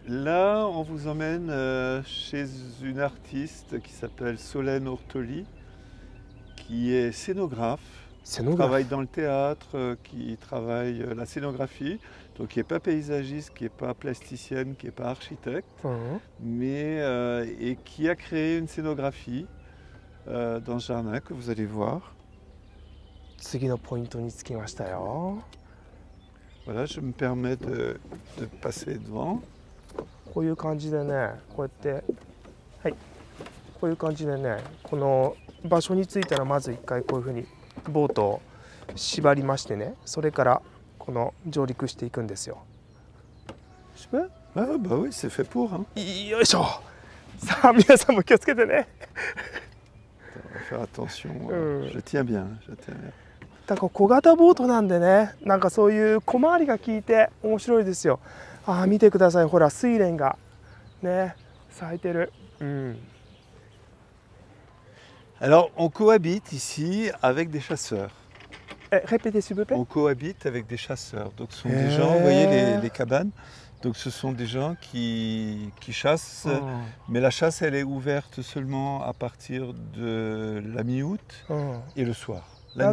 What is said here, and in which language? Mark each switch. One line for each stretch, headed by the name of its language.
French: Là, on vous emmène chez une artiste qui s'appelle Solène Ortoli, qui est scénographe, scénographe. Qui travaille dans le théâtre, qui travaille la scénographie, donc qui n'est pas paysagiste, qui n'est pas plasticienne, qui n'est pas architecte, mais, et qui a créé une scénographie dans ce jardin que vous allez voir.
Japanese: 次のポイントに着きましたよ。
French: Voilà, je me permets de passer devant.
Japanese: こういう感じでね、こうやって、はい、こういう感じでね、この場所に着いたらまず一回こういうふうにボートを縛りましてね、それからこの上陸していくんですよ。しば？
French: ああ、ah, bah oui, c'est fait pour, hein?
Japanese: よいしょ。さあ、皆さんも気をつけてね。
French: Faire attention, je tiens bien, je tiens bien.
Japanese: だから小型ボートなんでね、なんかそういう小回りが効いて面白いですよ。あ、見てください、ほら、スイレンがね、咲いてる。うん。
French: Alors, on cohabite ici avec des chasseurs. Répétez, s'il vous plaît. On cohabite avec des chasseurs. Donc, ce sont des gens, vous voyez les cabanes. Donc, ce sont des gens qui chassent. Oh. Mais la chasse, elle est ouverte seulement à partir de la mi-août et le soir, la